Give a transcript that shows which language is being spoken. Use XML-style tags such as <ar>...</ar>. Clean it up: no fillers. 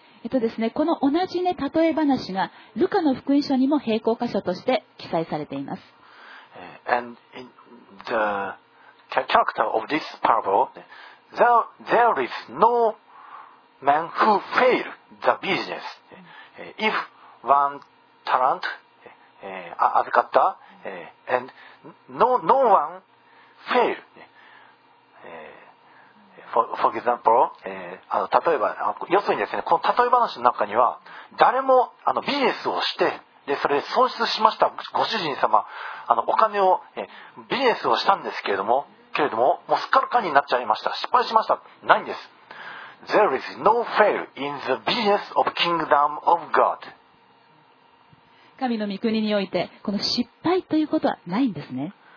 <ja>ですね、この同じね、例え話がルカの福音書にも並行箇所として記載されています。</ja> <en>And in the character of this parable, there is no man who failed the business. If one talent</en> <ja>預かった</ja> <en>And no one failed. for example,</en> <ja>例えば、要するにですね、この例え話の中には、誰もビジネスをして、でそれで損失しましたご主人様、お金を、ビジネスをしたんですけれども、もうすっからかになっちゃいました。失敗しました。ないんです。</ja> <en>There is no fail in the business of kingdom of God.</en> <ja>神の御国においてこの失敗ということはないんですね。</ja>